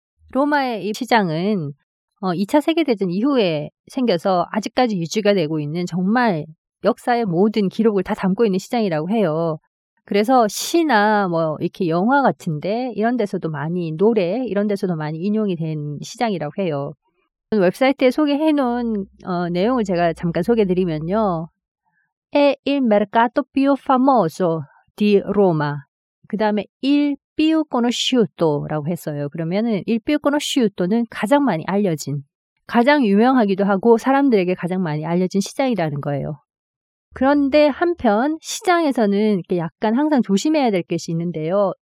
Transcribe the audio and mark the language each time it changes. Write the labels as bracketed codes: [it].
[ko] 로마의 이 시장은 2차 세계대전 이후에 생겨서 아직까지 유지가 되고 있는 정말 역사의 모든 기록을 다 담고 있는 시장이라고 해요. 그래서 시나 뭐 이렇게 영화 같은데 이런 데서도 많이 노래 이런 데서도 많이 인용이 된 시장이라고 해요. 웹사이트에 소개해놓은 내용을 제가 잠깐 소개해드리면요. [it] È il mercato più famoso di Roma. [ko] 그 다음에 [it] il più conosciuto [ko] 라고 했어요. 그러면은 [it] il più conosciuto [ko] 는 가장 많이 알려진, 가장 유명하기도 하고 사람들에게 가장 많이 알려진 시장이라는 거예요. 그런데 한편 시장에서는 이렇게 약간 항상 조심해야 될 것이 있는데요.